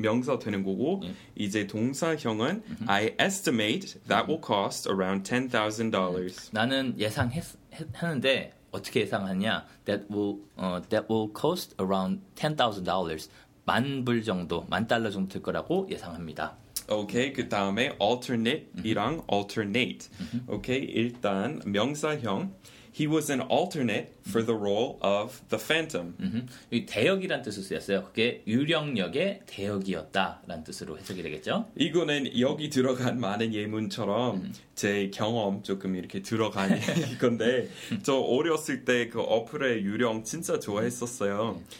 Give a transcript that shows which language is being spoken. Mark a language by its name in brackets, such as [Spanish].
[Korean] 명사 되는 거고 네. 이제 동사형은 [English] I estimate that will cost around $10,000. [Korean] 네. 나는 예상했는데 어떻게 예상하냐? [English] That will cost around $10,000. [Korean] 만 불 정도, 만 달러 정도 될 거라고 예상합니다. 오케이 okay, 그 다음에 alternate이랑 alternate. [English] 오케이 okay, [Korean] 일단 명사형 [English] he was an alternate for the role of the phantom. [Korean] 이 대역이란 뜻을 쓰였어요. 그게 유령역의 대역이었다라는 뜻으로 해석이 되겠죠? 이거는 여기 들어간 많은 예문처럼 제 경험 조금 이렇게 들어간 건데 저 어렸을 때 그 어플의 유령 진짜 좋아했었어요.